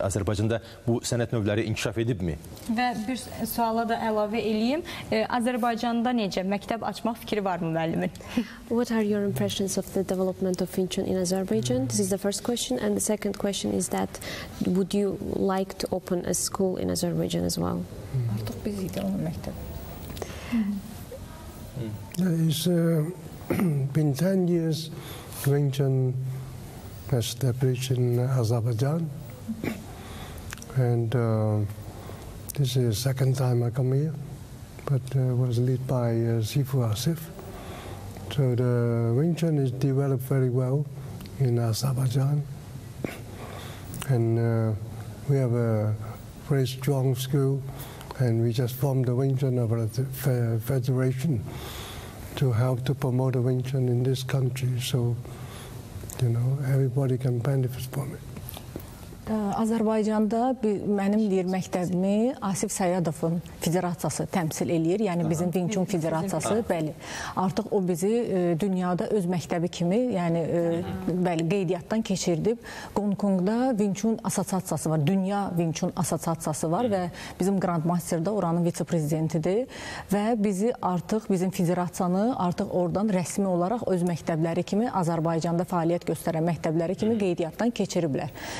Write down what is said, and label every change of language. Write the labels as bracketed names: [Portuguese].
[Azerbaijani] Azərbaycanda bu sənət növləri inkişaf edibmi? Və bir suala da əlavə eləyim. Azərbaycanda necə məktəb açmaq fikri varmı müəllimin? [English] What are your impressions of the development of Wing Chun in Azerbaijan? This is the first question and the second question is that would you like to open a school in Azerbaijan as well? [Azerbaijani] Artıq biz idi onun məktəb. [English] It's been 10 years Wing Chun established in Azerbaijan, and this is the second time I come here, but was led by Sifu Asif. So the Wing Chun is developed very well in Azerbaijan, and we have a very strong school, and we just formed the Wing Chun of a federation to help to promote the Wing Chun in this country. So, you know, everybody can benefit from it. [Azerbaijani] Azərbaycanda mənim deyir məktəbimi Asif Səyadovun federasiyası təmsil eləyir, yəni bizim Wing Chun federasiyası, bəli. Artıq o bizi dünyada öz məktəbi kimi, yəni bəli, qeydiyyatdan keçirdib. Hong Kongda Wing Chun assosiasiyası var, dünya Wing Chun assosiasiyası var və bizim Grandmaster də oranın vitse prezidentidir və bizi artıq, bizim federasiyanı artıq oradan rəsmi olaraq öz məktəbləri kimi, Azərbaycanda fəaliyyət göstərən məktəbləri kimi qeydiyyatdan keçiriblər.